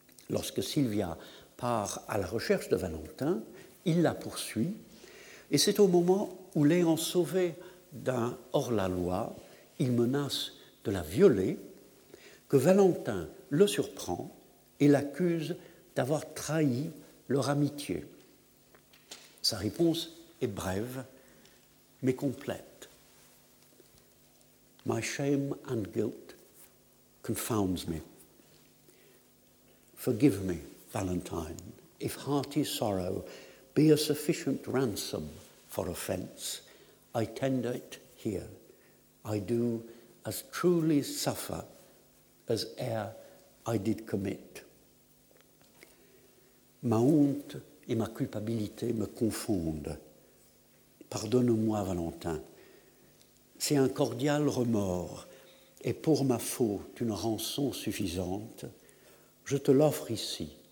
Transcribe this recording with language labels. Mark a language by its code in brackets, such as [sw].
[fr] Lorsque Sylvia part à la recherche de Valentin, il la poursuit et c'est au moment où l'ayant sauvé d'un hors-la-loi, il menace de la violer, que Valentin le surprend et l'accuse d'avoir trahi leur amitié. Sa réponse est brève, mais complète. [en] My shame and guilt confounds me. Forgive me, Valentine, if hearty sorrow be a sufficient ransom for offence, I tender it here. I do as truly suffer as e'er I did commit. [fr] Ma honte et ma culpabilité me confondent. Pardonne-moi, Valentin, si un cordial remords est pour ma faute une rançon suffisante, je te l'offre ici.